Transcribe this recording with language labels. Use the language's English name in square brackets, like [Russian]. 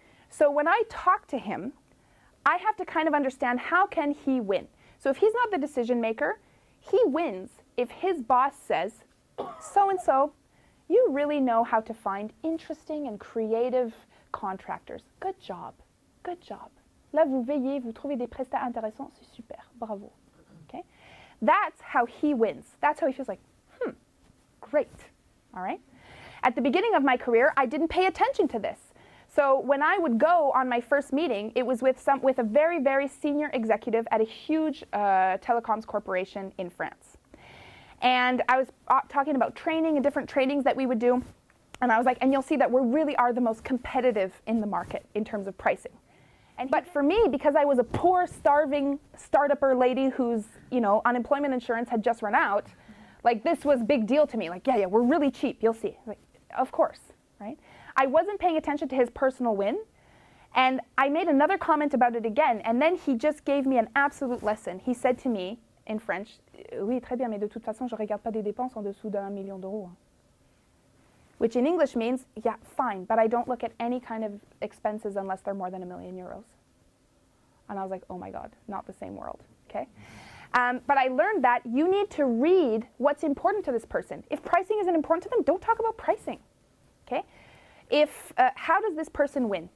[English] So when I talk to him, I have to kind of understand how can he win. So if he's not the decision maker, he wins if his boss says, so-and-so, you really know how to find interesting and creative contractors. Good job. Good job. [French] Là, vous veillez, vous trouvez des prestats intéressants, c'est super. [English] Bravo. Okay? That's how he wins. That's how he feels like, great. All right? At the beginning of my career, I didn't pay attention to this. So when I would go on my first meeting, it was with a very, very senior executive at a huge telecoms corporation in France. And I was talking about training and different trainings that we would do. And I was like, and you'll see that we really are the most competitive in the market in terms of pricing. And but for me, because I was a poor, starving startupper lady whose, you know, unemployment insurance had just run out, like, this was big deal to me. Like, yeah, we're really cheap. You'll see. Like, of course, right? I wasn't paying attention to his personal win. And I made another comment about it again. And then he just gave me an absolute lesson. He said to me, in French, [French] oui, très bien, mais de toute façon, je regarde pas des dépenses en dessous d'un million d'euros. [English] Which in English means, yeah, fine, but I don't look at any kind of expenses unless they're more than a million euros. And I was like, oh my God, not the same world, okay? But I learned that you need to read what's important to this person. If pricing isn't important to them, don't talk about pricing, okay? If, how does this person win?